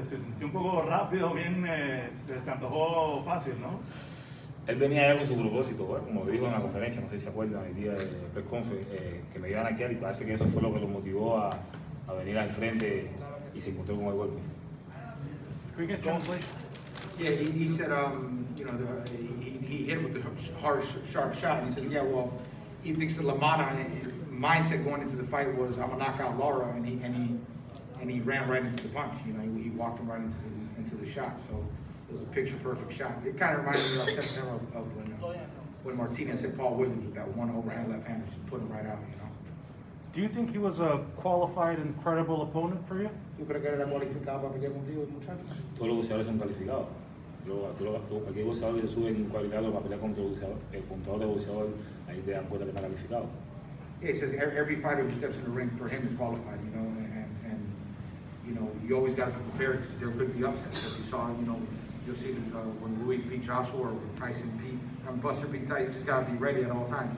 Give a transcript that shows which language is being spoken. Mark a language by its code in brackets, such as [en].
[es] Se sintió un poco rápido, se antojó fácil, ¿no? Él venía ya con su propósito, pues, como dijo en la conferencia, no sé si se acuerdan, el día del press conference, que me iban a quedar y parece que eso fue lo que lo motivó a venir al frente y se encontró con el golpe. [en] Can we get translation? Yeah, he said, he hit him with the harsh, sharp shot. And he said, yeah, well, he thinks that Lamanna mindset going into the fight was, I'm gonna knock out Lara, and he ran right into the punch. You know, he walked him right into the shot. So it was a picture perfect shot. It kind of reminded me of September of when Martinez hit Paul Williams with that one overhand left hand, just put him right out. You know. Do you think he was a qualified and credible opponent for you? [es] Yo creo que era cualificado para pelear contigo, muchachos. Todos los boxeadores son calificados. Cualquier boxeador que sube en un cuadrilátero para pelear contra el contador de boxeador, ahí te dan cuenta que está calificado. [en] Yeah, he says every fighter who steps in the ring for him is qualified. You know, and you know, you always got to prepare because there could be upsets. As you saw, you know, you'll see that when Ruiz beat Joshua or when Tyson beat, when Buster beat Tyson, you just got to be ready at all times.